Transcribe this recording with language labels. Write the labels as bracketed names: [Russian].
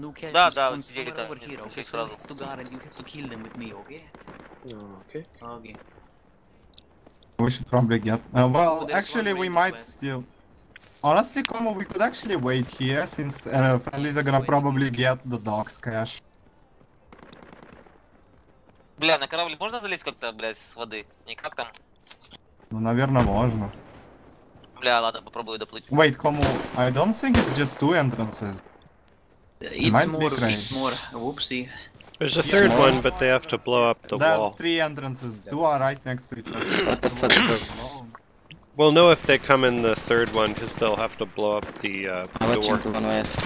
[Russian] Да, да, вот сидели там, все сразу. [English] To guard, you have to kill them with me, okay? Okay. We should probably get... well, actually, we might still... Honestly, Komo, we could actually wait here, since Elisa gonna probably get the dog's cash. [Russian] Бля, на корабль можно залезть как-то, блядь, с воды? Никак там? Ну, наверное, можно. Бля, ладно, попробую доплыть. [English] Wait, Komu, I don't think it's just two entrances. It's more. Whoopsie. There's a third one, but they have to blow up the That's wall. That's three entrances. Two are right next to each other. What the fuck? We'll know if they come in the third one, because they'll have to blow up the door.